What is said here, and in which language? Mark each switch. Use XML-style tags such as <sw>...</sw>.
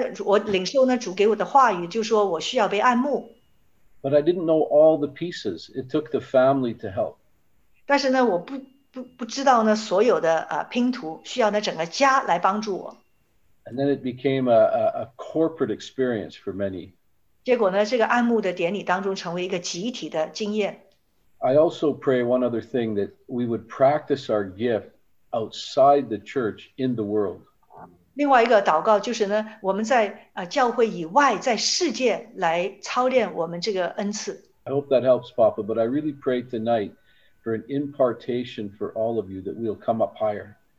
<zh>那最近那我领受呢，主给我的话语就说我需要被按牧。</zh> <en>But I didn't know all the pieces. It took the family to help.</en> <zh>但是呢, 我不知道呢, 所有的, 拼图, 需要呢整个家来帮助我。</zh> <en>And then it became a corporate experience for many.</en> <zh>结果呢, 这个按牧的典礼当中成为一个集体的经验。</zh> <en>I also pray one other thing, that we would practice our gift outside the church in the world.</en> <zh>另外一个祷告就是呢, 我们在, 教会以外, 在世界来操练我们这个恩赐。</zh> <en>I hope that helps, Papa, but I really pray tonight for an impartation for all of you that we'll come up higher.</en>